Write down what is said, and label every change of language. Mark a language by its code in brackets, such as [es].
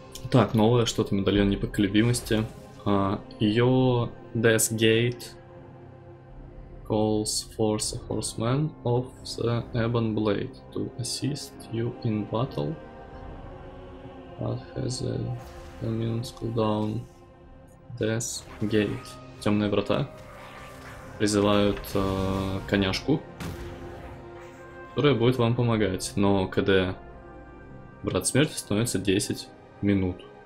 [ru] Так, новое что-то, медальон непоколебимости. [en] Ее Death Gate calls for the horseman of the ebon blade to assist you in battle, but has a immune cooldown. Death Gate. [ru] Темные врата призывают коняшку, которая будет вам помогать, но КД брат смерти становится 10 минут.